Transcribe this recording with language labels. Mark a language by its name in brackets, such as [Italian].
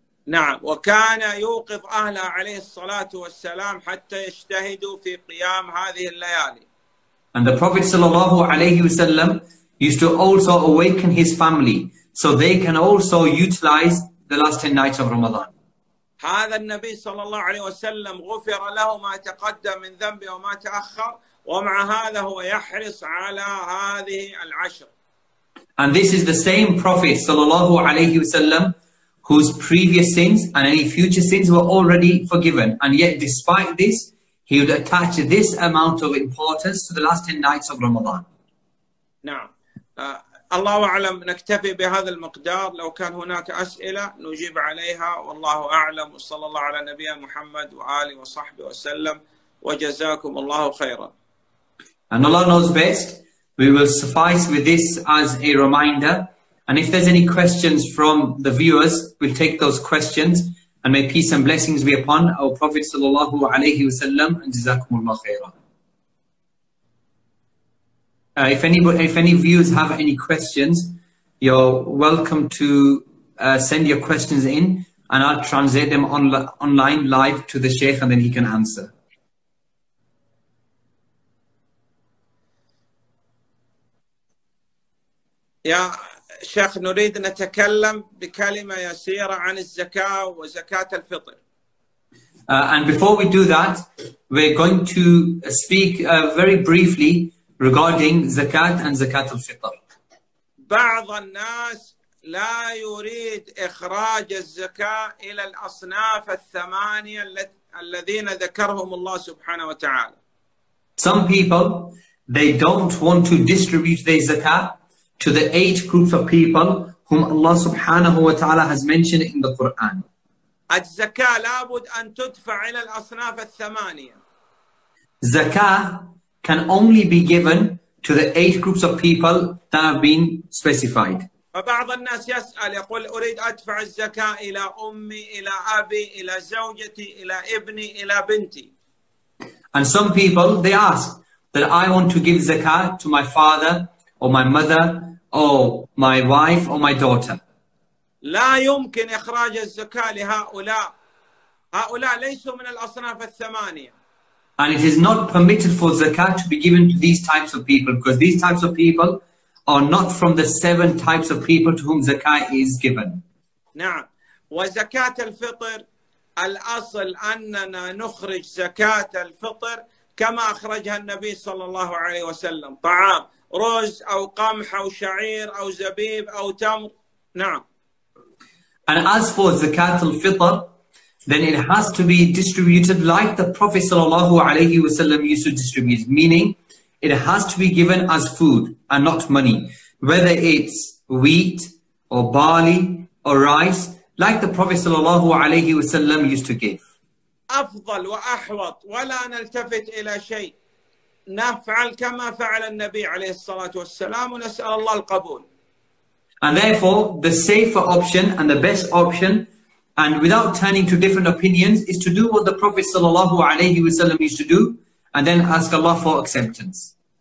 [Arabic] نعم وكان يوقف أهله عليه الصلاة والسلام حتى يجتهدوا في قيام هذه الليالي. [English] And the Prophet [Arabic] صلى الله عليه وسلم [English] used to also awaken his family so they can also utilize the last 10 nights of Ramadan. [Arabic] هذا النبي صلى الله عليه وسلم غفر له ما تقدم من ذنبه وما تأخر ومع هذا هو يحرص على هذه العشر. [English] And this is the same Prophet [Arabic] صلى الله عليه وسلم [English] whose previous sins and any future sins were already forgiven. And yet, despite this, he would attach this amount of importance to the last 10 nights of Ramadan. [Arabic] نعم. الله أعلم نكتفي بهذا المقدار لو كان هناك أسئلة نجيب عليها والله أعلم وصلى الله على نبينا محمد وآله وصحبه وسلم وجزاكم الله خيرا. [English] And Allah knows best. We will suffice with this as a reminder. And if there's any questions from the viewers, we'll take those questions. And may peace and blessings be upon our Prophet sallallahu alayhi wasallam and jazakum Allah khairan. If any viewers have any questions, you're welcome to send your questions in and I'll translate them online live to the Sheikh and then he can answer. [Arabic] Ya Sheikh, نريد نتكلم بكلمة يسيرة عن الزكاة وزكاة الفطر. [English] And before we do that, we're going to speak very briefly regarding zakat and zakat al-fitr. [Arabic] بعض الناس لا يريد إخراج الزكاة إلى الأصناف الثمانية الذين ذكرهم الله سبحانه وتعالى. [English] Some people, they don't want to distribute their zakat to the eight groups of people whom Allah subhanahu wa ta'ala has mentioned in the Quran. [Arabic] الزكاه لابد ان تدفع الى الاصناف الثمانيه. [English] Zakah can only be given to the eight groups of people that have been specified. [Arabic] فبعض الناس يسال يقول اريد ادفع الزكاه الى امي الى ابي الى زوجتي الى ابني الى بنتي. [English] And some people they ask that I want to give zakah to my father or my mother, or my wife, or my daughter. [Arabic] لا يمكن إخراج الزكاة لهؤلاء. هؤلاء ليسوا من الأصناف الثمانية. [English] And it is not permitted for zakat to be given to these types of people, because these types of people are not from the seven types of people to whom zakat is given. [Arabic] نعم. وزكاة الفطر الأصل أننا نخرج زكاة الفطر كما أخرجها النبي صلى الله عليه وسلم طعام. رز أو قمح أو شعير أو زبيب أو تمر نعم. [English] And as for zakat al-fitr, then it has to be distributed like the Prophet sallallahu alaihi wasallam used to distribute. Meaning, it has to be given as food and not money. Whether it's wheat or barley or rice, like the Prophet sallallahu alaihi wasallam used to give. [Arabic] أفضل وأحوط ولا نلتفت إلى شيء. نفعل كما فعل النبي عليه الصلاة والسلام ونسأل الله القبول. [English] And therefore, the safer option and the best option, and without turning to different opinions, is to do what the Prophet [Arabic] صلى الله عليه وسلم [English] used to do, and then ask Allah for acceptance.